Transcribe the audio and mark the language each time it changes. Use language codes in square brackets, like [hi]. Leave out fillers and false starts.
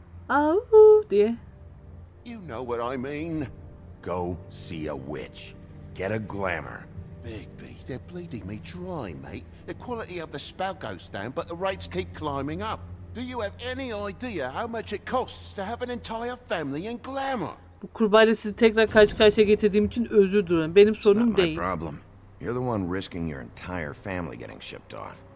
[en] Oh dear. You know what I mean. Go see a witch. Get a glamour. Big B, they're bleeding me dry, mate. The quality of the spell goes down, but the rates keep climbing up. Do you have any idea how much it costs to have an entire family in glamour? [tr] Bu kurbağayla sizi tekrar karşı karşıya getirdiğim için özür dilerim. Benim sorunum değil. [en] No problem. You're the one risking your entire family getting shipped off.